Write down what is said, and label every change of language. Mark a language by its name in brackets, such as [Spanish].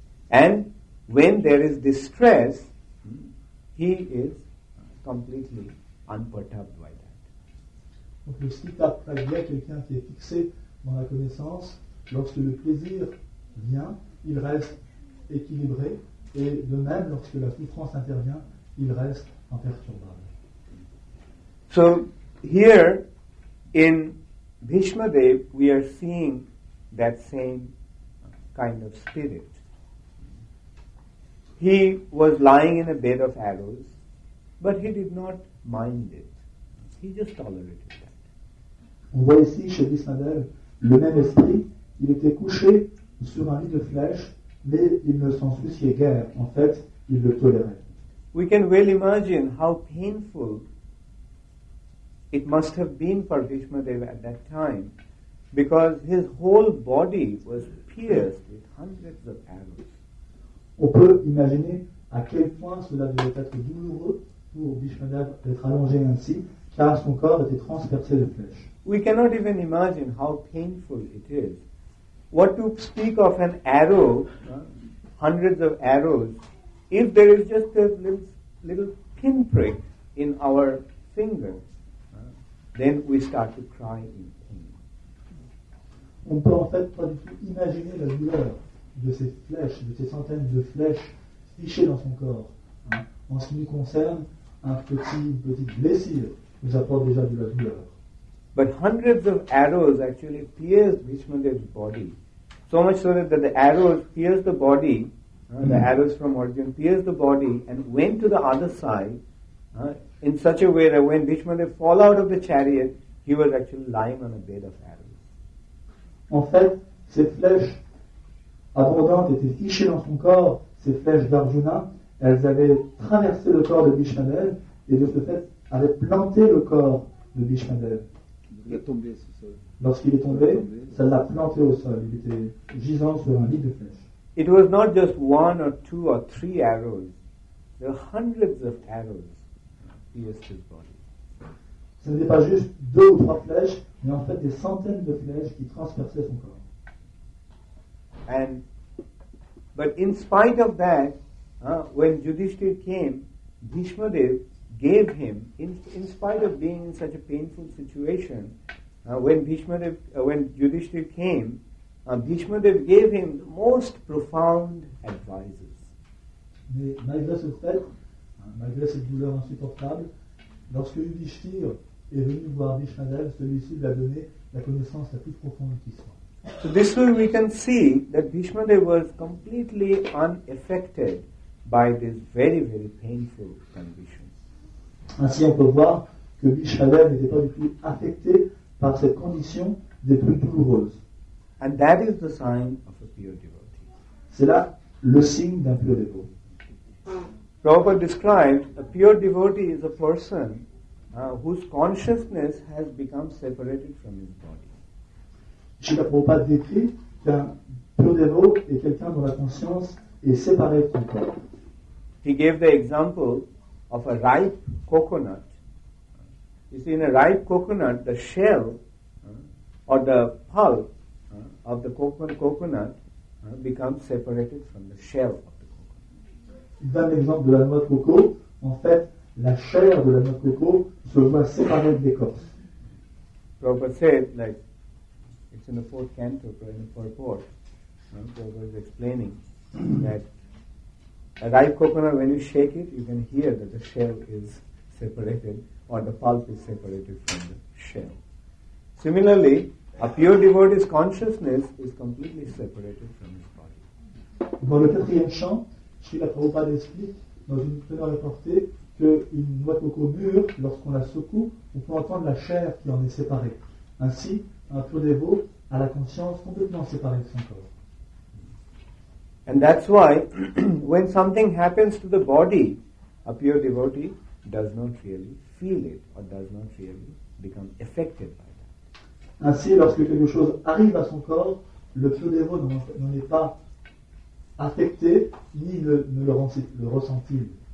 [English] And when there is distress, he is completely unperturbed by that. [French] Donc le sthita pragya, quelqu'un qui est fixé dans la connaissance, lorsque le plaisir vient, il reste équilibré, et de même, lorsque la souffrance intervient, il reste imperturbable. [English] So, here, in Bhishma Dev, we are seeing that same kind of spirit. He was lying in a bed of arrows, but he did not mind it. He just tolerated that. [French] On voit ici chez Bismadev le même esprit. Il était couché sur un lit de flèches, mais il ne s'en souciait guère. En fait, il le tolérait. [English] We can well imagine how painful it must have been for Bismadev at that time, because his whole body was pierced with hundreds of arrows. [French] On peut imaginer à quel point cela devait être douloureux pour Bhishmadev d'être allongé ainsi, car son corps était transpercé de flèches. [English] We cannot even imagine how painful it is. What to speak of an arrow, hundreds of arrows, if there is just a little pinprick in our finger, then we start to cry in. [French] On ne peut en fait pas du tout imaginer la douleur de ces flèches, de ces centaines de flèches fichées dans son corps. En ce qui nous concerne, une petite blessure nous apporte déjà de la douleur. [English] But hundreds of arrows actually pierced Vishnudev's body. So much so that the arrows pierced the body, the arrows from Arjun pierced the body and went to the other side in such a way that when Vishnudev fall out of the chariot, he was actually lying on a bed of arrows. [French] En fait, ces flèches abondantes étaient fichées dans son corps, ces flèches d'Arjuna, elles avaient traversé le corps de Bhishmadev et de ce fait avaient planté le corps de Bhishmadev. Il est tombé sur ça. Lorsqu'il est tombé, ça l'a planté au sol, il était gisant sur un lit de flèches. [English] It was not just one or two or three arrows. There were hundreds of arrows pierced his body. [French] Ce n'était pas juste deux ou trois flèches, mais en fait des centaines de flèches qui transperçaient son corps. [English] But in spite of that, when Yudhishthir came, Bhishma Dev gave him, in spite of being in such a painful situation, when Yudhishthira came, Bhishma Dev gave him the most profound advices. [French] Mais malgré ce fait, malgré cette douleur insupportable, lorsque Yudhishthira est venu voir Bhishma Dev, celui-ci lui a donné la connaissance la plus profonde qui soit. [English] So this way we can see that Bhishma Dev was completely unaffected by this very, very painful condition. [French] Ainsi on peut voir que Bhishma Dev n'était pas du tout affecté par cette condition des plus douloureuses. [English] And that is the sign of a pure devotee. [French] C'est là le signe d'un pur dévot. [English] Prabhupada described a pure devotee is a person whose consciousness has become separated from his body. [French] Srila Prabhupada décrit qu'un pur dévot est quelqu'un dont la conscience est séparée de son corps. [English] He gave the example of a ripe coconut. You see, in a ripe coconut, the shell or the pulp of the coconut becomes separated from the shell of the coconut. [French] Il donne l'exemple de la noix de coco. En fait, la chair de la noix de coco se voit séparée de l'écorce. [English] Prabhupada said, like, it's in the fourth canto, in the purport. Prabhupada is explaining that a ripe coconut, when you shake it, you can hear that the shell is separated or the pulp is separated from the shell. Similarly, a pure devotee's consciousness is completely separated from his body. [French] Dans le quatrième chant, Srila Prabhupada explique, dans une teneur reportée, qu'une noix de coco mûre, lorsqu'on la secoue, on peut entendre la chair qui en est séparée. Ainsi, un pur dévot a la conscience complètement séparée de son corps. [English] And that's why when something happens to the body, a pure devotee does not really feel it or does not really become affected by that. [French] Ainsi, lorsque quelque chose arrive à son corps, le pure dévot n'en est pas affecté ni ne le ressent-il.